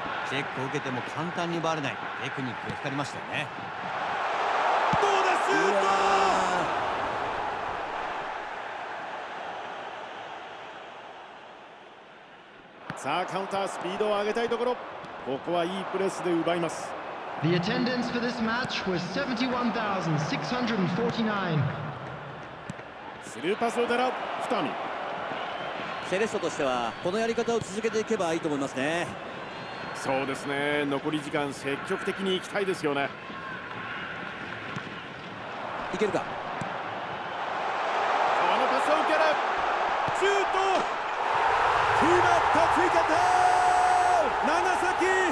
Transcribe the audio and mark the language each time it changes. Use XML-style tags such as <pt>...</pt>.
<ja>チェックを受けても簡単に奪われないテクニックが光りましたよね。どうだ、シュート、さあカウンタースピードを上げたいところ、ここはいいプレスで奪います。</ja> <en>The attendance for this match was 71,649.</en> <ja>スルーパスを狙う、セレッソとしてはこのやり方を続けていけばいいと思いますね。そうですね、残り時間積極的に行きたいですよね。いけるか、このパスを受ける、シュート、決まった、追加点、長崎</ja>